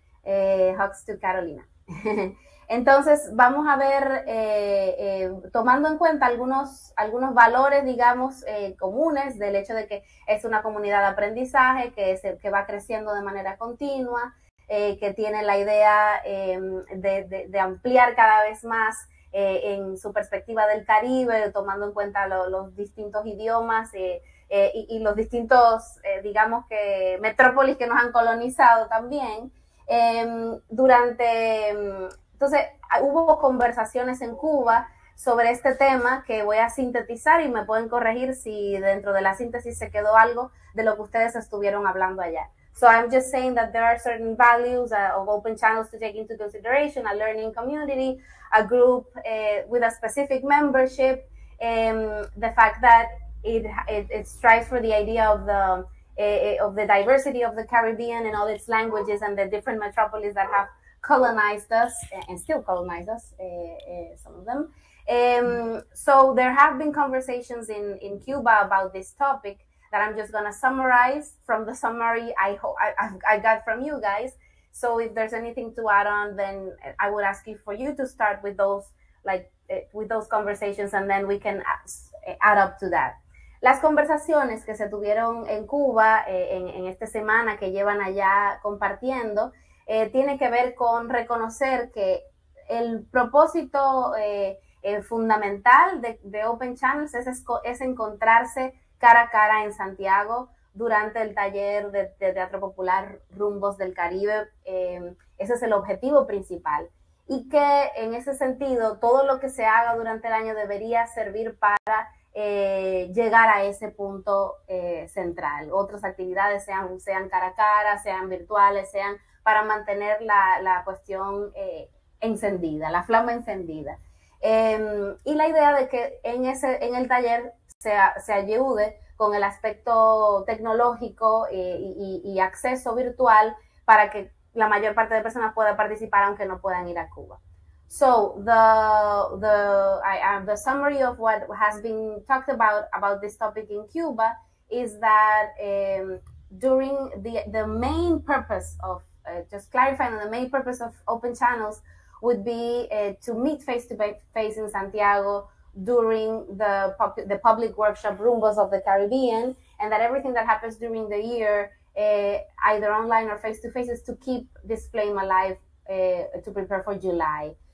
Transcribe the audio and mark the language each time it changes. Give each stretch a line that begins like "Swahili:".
English: Hugs to Carolina.
Spanish: Entonces, vamos a ver, tomando en cuenta algunos valores, digamos, comunes, del hecho de que es una comunidad de aprendizaje, que va creciendo de manera continua, que tiene la idea de ampliar cada vez más en su perspectiva del Caribe, tomando en cuenta los distintos idiomas y los distintos, digamos, que metrópolis que nos han colonizado también. Entonces, hubo conversaciones en Cuba sobre este tema que voy a sintetizar y me pueden corregir si dentro de la síntesis se quedó algo de lo que ustedes estuvieron hablando allá.
English: So I'm just saying that there are certain values of open channels to take into consideration: a learning community, a group with a specific membership, the fact that it strives for the idea of the diversity of the Caribbean and all its languages and the different metropolis that have colonized us and still colonize us, some of them. So there have been conversations in Cuba about this topic that I'm just going to summarize from the summary I got from you guys. So if there's anything to add on, then I would ask you for you to start with those conversations, and then we can add up to that.
Spanish: Las conversaciones que se tuvieron en Cuba en esta semana que llevan allá compartiendo tiene que ver con reconocer que el propósito fundamental de Open Channels es encontrarse cara a cara en Santiago durante el taller de Teatro Popular Rumbos del Caribe. Ese es el objetivo principal. Y que en ese sentido, todo lo que se haga durante el año debería servir para llegar a ese punto central. Otras actividades, sean cara a cara, sean virtuales, sean para mantener la cuestión encendida, la flama encendida. Y la idea de que en el taller se ayude con el aspecto tecnológico y acceso virtual para que la mayor parte de personas pueda participar aunque no puedan ir a Cuba.
English: So the summary of what has been talked about this topic in Cuba is that during the main purpose of just clarifying that the main purpose of Open Channels would be to meet face-to-face in Santiago during the public workshop Rumbos of the Caribbean, and that everything that happens during the year, either online or face-to-face, is to keep this flame alive to prepare for July.